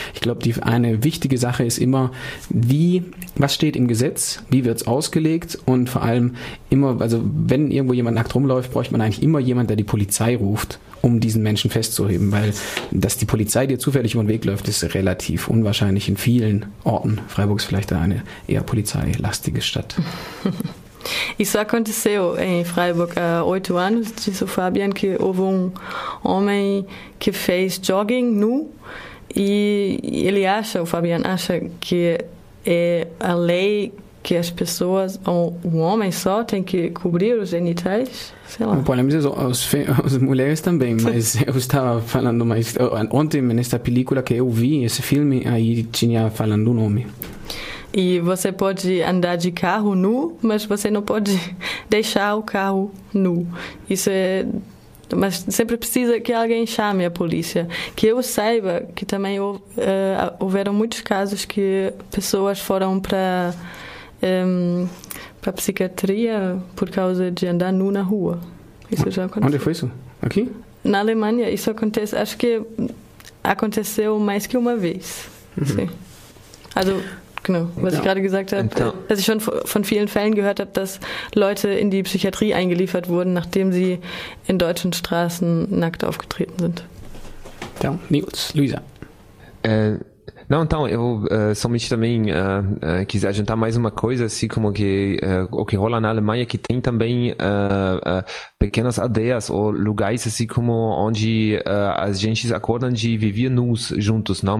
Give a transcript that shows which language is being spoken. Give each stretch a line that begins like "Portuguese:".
German: Ich glaube, die eine wichtige Sache ist immer, was steht im Gesetz, wie wird es ausgelegt und vor allem immer, also wenn irgendwo jemand nackt rumläuft, bräuchte man eigentlich immer jemanden, der die Polizei ruft, um diesen Menschen festzuheben, weil dass die Polizei dir zufällig über den Weg läuft, ist relativ unwahrscheinlich in vielen Orten. Freiburg ist vielleicht eine eher polizeilastige Stadt.
Portuguese: Isso aconteceu em Freiburg há 8 anos, disse o Fabian, que houve um homem que fez jogging nu e ele acha, o Fabian acha que é a lei que as pessoas, ou um homem só, tem que cobrir os genitais. Bom, mas as mulheres também, mas eu estava falando mais. Ontem, nesta película que eu vi, esse filme, aí tinha falando um homem. E você pode andar de carro nu, mas você não pode deixar o carro nu. Isso é... Mas sempre precisa que alguém chame a polícia. Que eu saiba que também houveram muitos casos que pessoas foram para para psiquiatria por causa de andar nu na rua. Isso já aconteceu. Onde foi isso? Aqui? Na Alemanha. Isso acontece... Acho que aconteceu mais que uma vez. Uhum. Sim.
German: Genau, was ja. Ich gerade gesagt habe, dass ich schon von vielen Fällen gehört habe, dass Leute in die Psychiatrie eingeliefert wurden, nachdem sie in deutschen Straßen nackt aufgetreten sind. Ja, Nils, Luisa.
Portuguese: Não, então, eu somente também quis adiantar mais uma coisa, assim como que o que rola na Alemanha, que tem também pequenas aldeias ou lugares, assim como onde as gentes acordam de viver nus juntos, não?